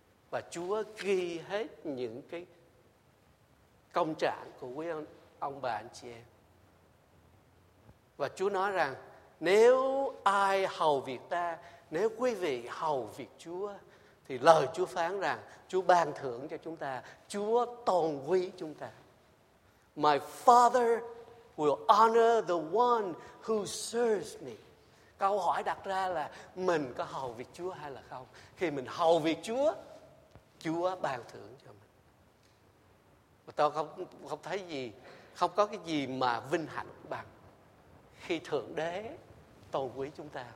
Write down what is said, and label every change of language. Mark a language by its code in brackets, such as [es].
[vi] Và Chúa ghi hết những cái công trạng của quý ông bà anh chị em. Và Chúa nói rằng nếu ai hầu việc ta, nếu quý vị hầu việc Chúa, thì lời Chúa phán rằng Chúa ban thưởng cho chúng ta, Chúa tôn quý chúng ta. [en] My Father will honor the one who serves me. [vi] Câu hỏi đặt ra là mình có hầu việc Chúa hay là không. Khi mình hầu việc Chúa, Chúa ban thưởng cho mình. Và tôi không thấy gì, không có cái gì mà vinh hạnh bằng khi Thượng Đế tôn quý chúng ta.